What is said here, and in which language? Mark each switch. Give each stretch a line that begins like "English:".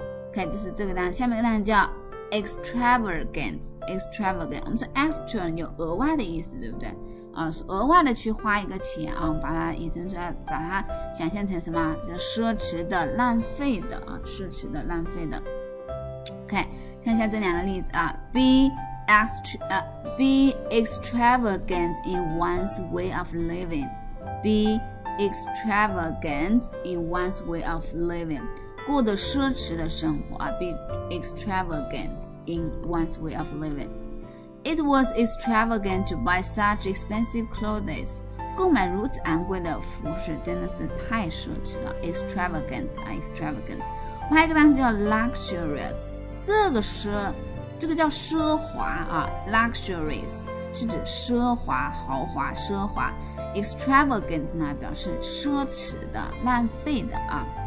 Chinese: OK， 这是这个单词，下面一个单词叫。extravagant， 我们说 extra 有额外的意思，对不对？啊，额外的去花一个钱啊，把它引申出来，把它想象成什么？就奢侈的、浪费的啊，奢侈的、浪费的。
English: OK，
Chinese: 看一下这两个例子啊
English: ，be extravagant in one's way of living，be extravagant in one's way of living。
Chinese: 过得奢侈的生活啊 ，
English: be extravagant in one's way of living。 It was extravagant to buy such expensive clothes.
Chinese: 购买如此昂贵的服饰真的是太奢侈了。Extravagant. 还有一个单词叫 luxurious. 这个叫奢华啊。 Luxurious 是指奢华、豪华、奢华。 Extravagant 呢表示奢侈的、浪费的啊。